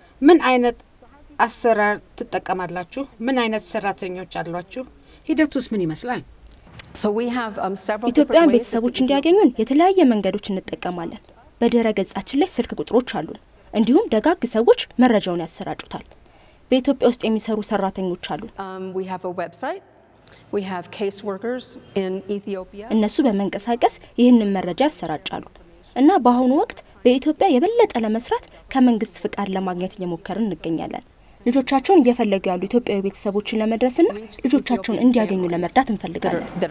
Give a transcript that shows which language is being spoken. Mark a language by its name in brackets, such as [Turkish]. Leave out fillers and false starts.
[Amharic] ምን አይነት አሰራር ትጠቀማላችሁ? ምን አይነት ሰራተኞች አሏችሁ? ሂደቱስ ምን ይመስላል? [English] So we have several [Amharic] ኢትዮጵያን ቤተሰቦች እንዲያገኙን የተለያየ መንገዶች እንጠቀማለን። በደረጃችን ላይ ስልክ ቁጥሮች አሉ። እንዲሁም ደጋግ ሰዎች መረጃውን ያሰራጩታል። በኢትዮጵያ ውስጥ የሚሰሩ ሰራተኞች አሉ። [English] We have a website. We have caseworkers in Ethiopia. [Amharic] እነሱ በመንቀሳቀስ ይህንን መረጃ ያሰራጫሉ። እና በአሁኑ ወቅት በኢትዮጵያ የበለጠ ለመስራት ከመንግስት ፍቃድ ለማግኘት እየሞከርን እንገኛለን። ልጆቻቸውን እየፈለጉ ያሉ ኢትዮጵያዊ ቤተሰቦችን ለመድረስና ልጆቻቸውን እንዲያገኙ ለመርዳት እንፈልጋለን።